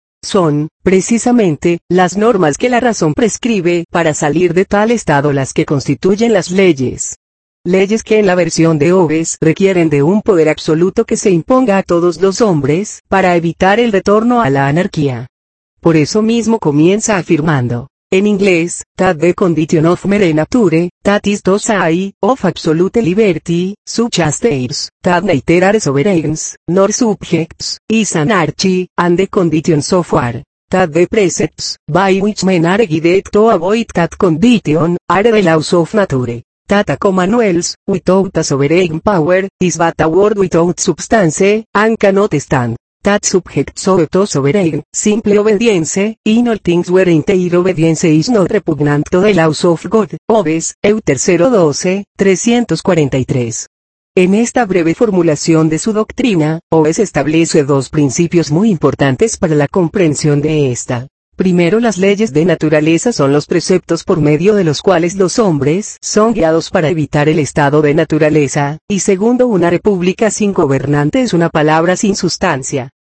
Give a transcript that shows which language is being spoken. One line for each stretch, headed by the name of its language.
Spanish: Son, precisamente, las normas que la razón prescribe para salir de tal estado las que constituyen las leyes. Leyes que en la versión de Hobbes requieren de un poder absoluto que se imponga a todos los hombres para evitar el retorno a la anarquía. Por eso mismo comienza afirmando, en inglés,
English: that the condition of mere nature, that is to say, of absolute liberty, such as theirs, that neither are sovereigns, nor subjects, is anarchy, and the conditions of war, that the precepts, by which men are guided to avoid that condition, are the laws of nature. Tata commonwealths, without a sovereign power, is but a word without substance, and cannot stand. That subject to sovereign, simple obedience, in all things were entire obedience is not repugnant to the laws of God, Hobbes, EU 3, 12, 343.
Spanish: En esta breve formulación de su doctrina, Hobbes establece dos principios muy importantes para la comprensión de esta. Primero, las leyes de naturaleza son los preceptos por medio de los cuales los hombres son guiados para evitar el estado de naturaleza, y segundo, una república sin gobernante es una palabra sin sustancia.